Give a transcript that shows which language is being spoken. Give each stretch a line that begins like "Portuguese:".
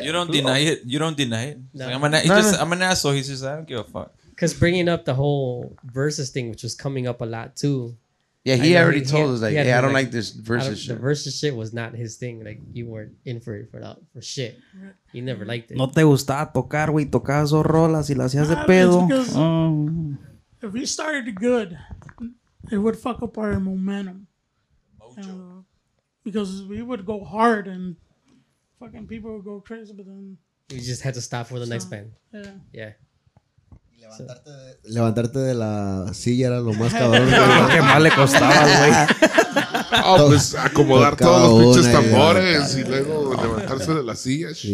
English: You don't deny it. You don't deny it. No. Like, I'm an asshole. He's just, I don't give a fuck. Because bringing up the whole Versus thing, which was coming up a lot too. Yeah, he already told us, I don't like this Versus shit. The Versus shit was not his thing. Like, you weren't in for it for shit. He never liked it.
Spanish: No te gustaba tocar, güey. Tocabas dos rolas y las hacías de pedo.
English: If we started good, it would fuck up our momentum. Because we would go hard and fucking people would go crazy, but then... We just had to stop for the next band. Yeah. Yeah.
Spanish: Levantarte de la silla era lo más cabrón. Qué mal le costaba, güey. Ah, pues acomodar todos los pinches tambores y luego levantarse de la silla.